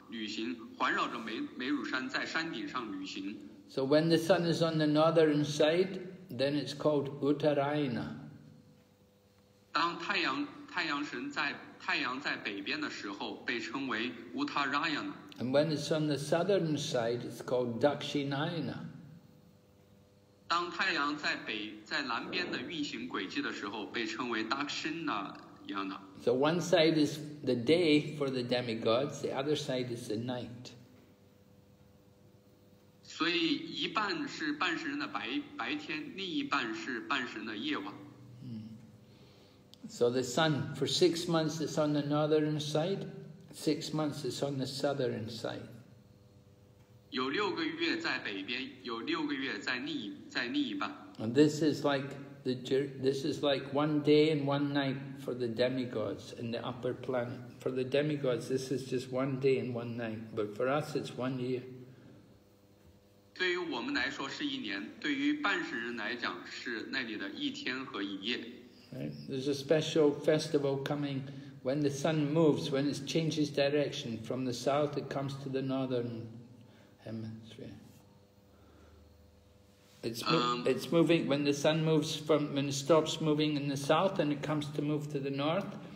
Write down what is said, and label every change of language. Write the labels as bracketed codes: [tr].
[zh] 旅行环绕着梅乳山，在山顶上旅行。 [en] So when the sun is on the northern side, then it's called Uttarayana. [zh] 当太阳在北边的时候，被称为 Uttarayana. [en] And when it's on the southern side, it's called Dakshinayana. [zh] 当太阳在南边的运行轨迹的时候，被称为 Dakshinayana. [en] So one side is the day for the demigods, the other side is the night. [zh] 所以一半是半神人的白天，另一半是半神人的夜晚。 [en] So the sun for 6 months is on the northern side, 6 months is on the southern side. [zh] 有六个月在北边，有六个月在另一半。 [en] And this is like this is like one day and one night for the demigods in the upper planet. For the demigods, this is just one day and one night. But for us, it's 1 year. [zh] 对于我们来说是一年，对于半神人来讲是那里的一天和一夜。 [en] There's a special festival coming when the sun moves, when it changes direction from the south, it comes to the northern hemisphere. It's moving when the sun moves from when it stops moving in the south and it comes to move to the north.